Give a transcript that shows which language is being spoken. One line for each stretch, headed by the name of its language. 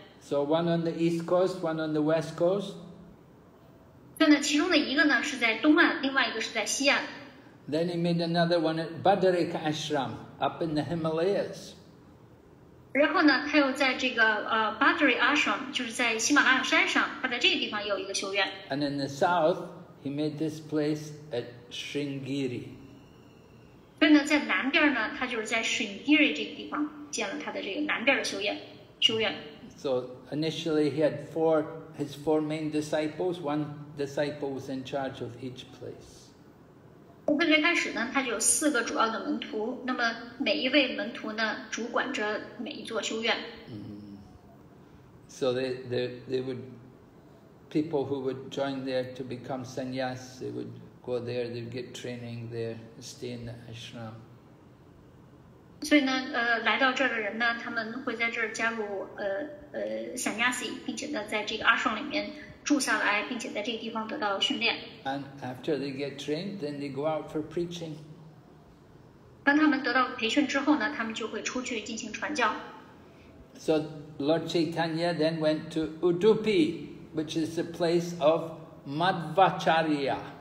English: So one on the east coast, one on the west coast.
Chinese: 对呢，其中的一个呢是在东岸，另外一个是在西岸。
English: Then he made another one at Badrika Ashram up in the Himalayas.
Chinese: 然后呢，他又在这个Badri Ashram， 就是在喜马拉雅山上，他在这个地方也有一个修院。
English: And in the south, he made this place at Sringiri.
Chinese: 所以呢，在南边呢，他就是在 Sringiri 这个地方建了他的这个南边的修院。
English: So initially he had his four main disciples. One disciple was in charge of each place.
Chinese: 从最开始呢，他就有四个主要的门徒，那么每一位门徒呢，主管着每一座修院。
English: So they would people who would join there to become sannyas, they would go there, they'd get training there, stay in the ashram.
Chinese: 所以呢，来到这儿的人呢，他们会在这儿加入sannyasi， 并且呢，在这个 ashram 里面。住下来，并且在这个地方得到训练。
English: And after they get trained, then they go out for preaching.
Chinese: 当他们得到培训之后呢，他们就会出去进行传教。
English: So Lord Chaitanya then went to Udupi, which is the place of Madhvacharya.